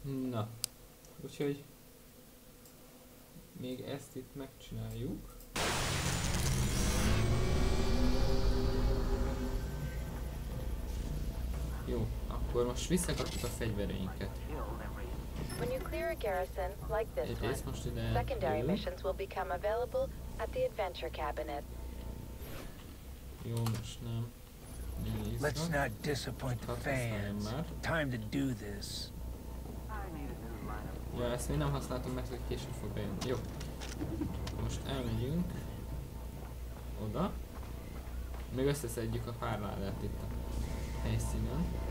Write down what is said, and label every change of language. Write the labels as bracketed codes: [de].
[hu] Na, úgyhogy még ezt itt megcsináljuk. Jó, akkor most visszakapjuk a fegyvereinket. [en] When you clear a garrison like this one, secondary missions will become available at the adventure cabinet. [hu] Jó, most nem. [en] Let's not disappoint the fans. Time to do this. [hu] Ja, ezt még nem használtam meg, hogy később fog bejönni. Jó. Most elmegyünk oda. Még összeszedjük a párládát itt a helyszínen.